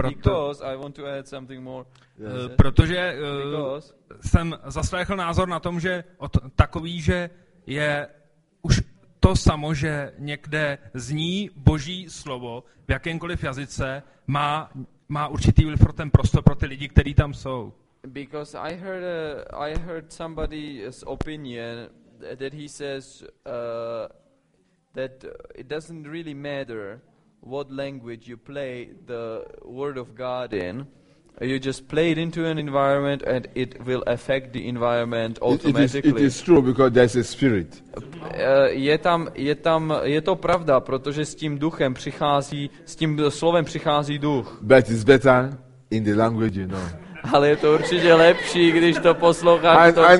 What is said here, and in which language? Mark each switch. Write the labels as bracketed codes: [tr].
[en] Because I want to add something more. [cs] Protože jsem zaslechl názor na tom, že takový, že je už to samo, že někde zní Boží slovo v jakémkoliv jazyce, má určitý vliv pro ten prostor, pro ty lidi, kteří tam jsou. [en] Because I heard somebody's opinion that he says that it doesn't really matter what language you play the word of God in, You just play it into an environment and it will affect the environment automatically. It is true because there's a spirit. [cs] Je tam je to pravda, protože s tím duchem přichází, s tím slovem přichází duch. [en] But it's better in the language, you know. [cs] Ale je to určitě lepší, když to posloucháš.